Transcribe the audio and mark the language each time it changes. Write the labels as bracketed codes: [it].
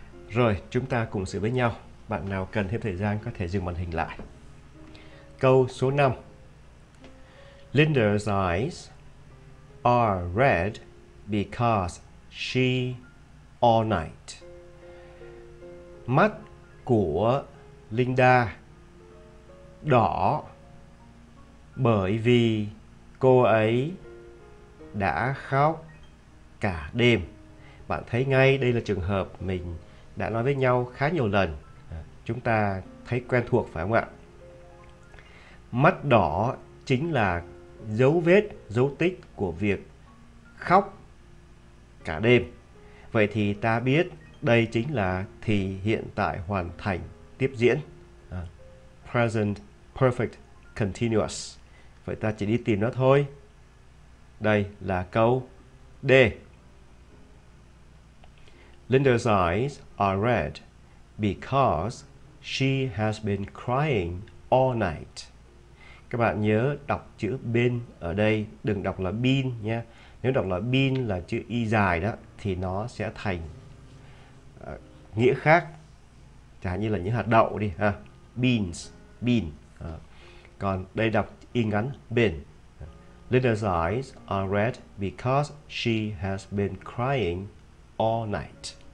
[vi] Rồi, chúng ta cùng sửa với nhau. Bạn nào cần thêm thời gian có thể dừng màn hình lại. Câu số 5. [en] Linda's eyes are red because she all night. [vi] Mắt của Linda đỏ bởi vì cô ấy đã khóc cả đêm. Bạn thấy ngay đây là trường hợp mình đã nói với nhau khá nhiều lần, chúng ta thấy quen thuộc phải không ạ? Mắt đỏ chính là dấu vết, dấu tích của việc khóc cả đêm. Vậy thì ta biết đây chính là thì hiện tại hoàn thành tiếp diễn, [en] present perfect continuous. [vi] Vậy ta chỉ đi tìm nó thôi. Đây là câu D. [en] Linda's eyes are red because she has been crying all night. [vi] Các bạn nhớ đọc chữ been ở đây, đừng đọc là been nhé. Nếu đọc là been là chữ y dài đó, thì nó sẽ thành nghĩa khác. Chẳng hạn như là những hạt đậu đi ha. Beans, been. Còn đây đọc y ngắn, been. [en] Linda's eyes are red because she has been crying all night.